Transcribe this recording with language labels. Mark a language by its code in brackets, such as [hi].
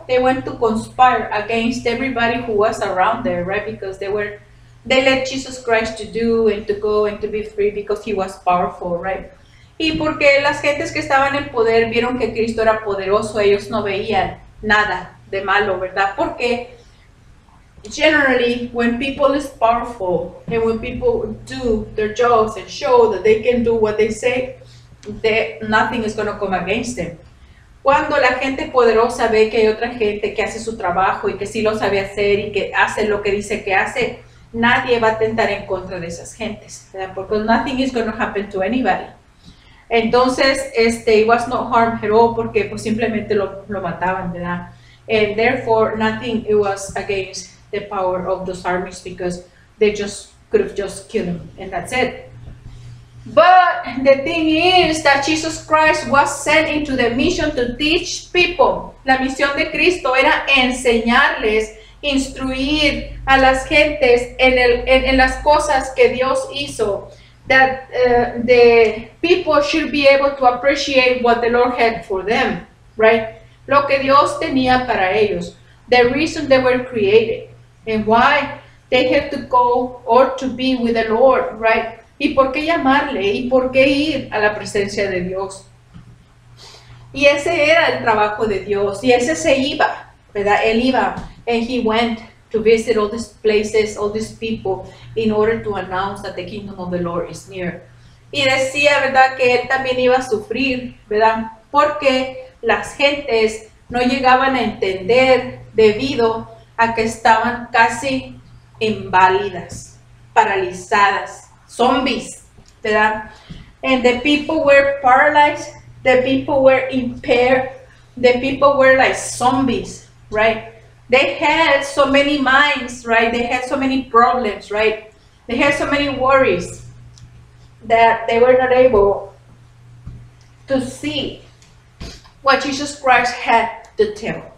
[en] They went to conspire against everybody who was around there, right? Because they let Jesus Christ to do and to go and to be free because he was powerful, right? [es] Y porque las gentes que estaban en poder vieron que Cristo era poderoso, ellos no veían nada de malo, ¿verdad? [en] Porque generally, when people is powerful and when people do their jobs and show that they can do what they say, nothing is going to come against them. [es] Cuando la gente poderosa ve que hay otra gente que hace su trabajo y que sí lo sabe hacer y que hace lo que dice que hace, nadie va a atentar en contra de esas gentes, ¿verdad? [en] Porque nothing is going to happen to anybody. Entonces, it was no harm at all, [es] porque pues simplemente lo mataban, ¿verdad? [en] And therefore, nothing, it was against the power of those armies, because they just could have just killed him, and that's it. But the thing is that Jesus Christ was sent into the mission to teach people. [es] La misión de Cristo era enseñarles, instruir a las gentes en las cosas que Dios hizo. [en] That the people should be able to appreciate what the Lord had for them, right? [es] Lo que Dios tenía para ellos. [en] The reason they were created and why they had to go or to be with the Lord, right? [es] ¿Y por qué llamarle? ¿Y por qué ir a la presencia de Dios? Y ese era el trabajo de Dios. Y ese se iba, ¿verdad? Él iba. [en] And he went to visit all these places, all these people, in order to announce that the kingdom of the Lord is near. [es] Y decía, ¿verdad?, que él también iba a sufrir, ¿verdad?, porque las gentes no llegaban a entender debido a que estaban casi inválidas, paralizadas, zombies, ¿verdad? [en] And the people were paralyzed, the people were impaired, the people were like zombies, right? They had so many minds, right? They had so many problems, right? They had so many worries that they were not able to see what Jesus Christ had to tell.